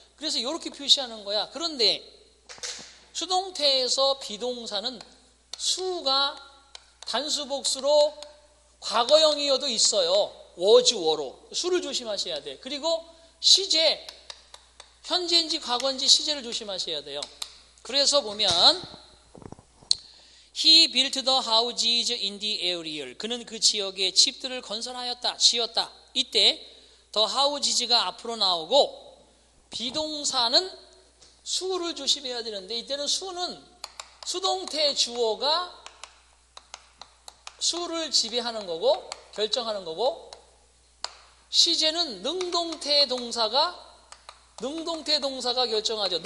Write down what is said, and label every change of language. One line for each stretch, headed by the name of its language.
Korean: 그래서 이렇게 표시하는 거야. 그런데 수동태에서 비동사는 수가 단수 복수로 과거형이어도 있어요. was, were로. 수를 조심하셔야 돼. 그리고 시제, 현재인지 과거인지 시제를 조심하셔야 돼요. 그래서 보면
English: He built the houses in the area.
Korean: 그는 그 지역에 집들을 건설하였다, 지었다. 이때 the houses가 앞으로 나오고 비동사는 수를 조심해야 되는데 이때는 수는 수동태 주어가 수를 지배하는 거고 결정하는 거고 시제는 능동태 동사가 결정하죠.